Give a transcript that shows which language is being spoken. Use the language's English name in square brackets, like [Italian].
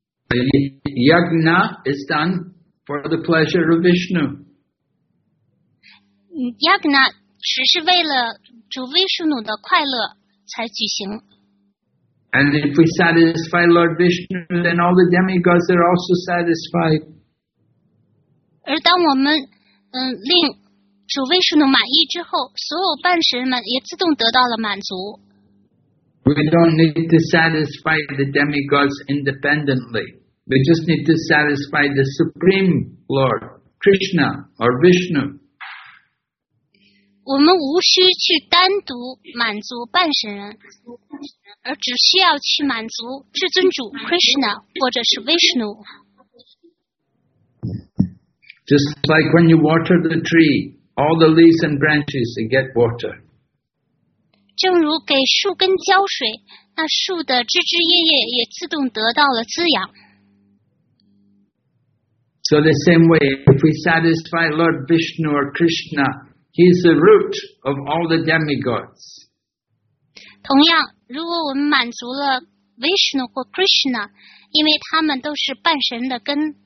[English] Yagna is done for the pleasure of Vishnu. [Chinese] Yagna 只是为了主维舒努的快乐才举行。 [English] And if we satisfy Lord Vishnu, then all the demigods are also satisfied. [Chinese] 而当我们令主维舒努满意之后，所有半神们也自动得到了满足。 [English] We don't need to satisfy the demigods independently. We just need to satisfy the Supreme Lord, Krishna or Vishnu. [Chinese] 我们无需去单独满足半神人。而只需要去满足至尊主 Krishna 或者是 Vishnu. [English] Just like when you water the tree, all the leaves and branches get water. [Chinese] 正如给树根浇水，那树的枝枝叶叶也自动得到了滋养。 [English] So the same way, if we satisfy Lord Vishnu or Krishna, he is the root of all the demigods. [Chinese] 同样如果我们满足了 Vishnu 或 Krishna， 因为他们都是半神的根。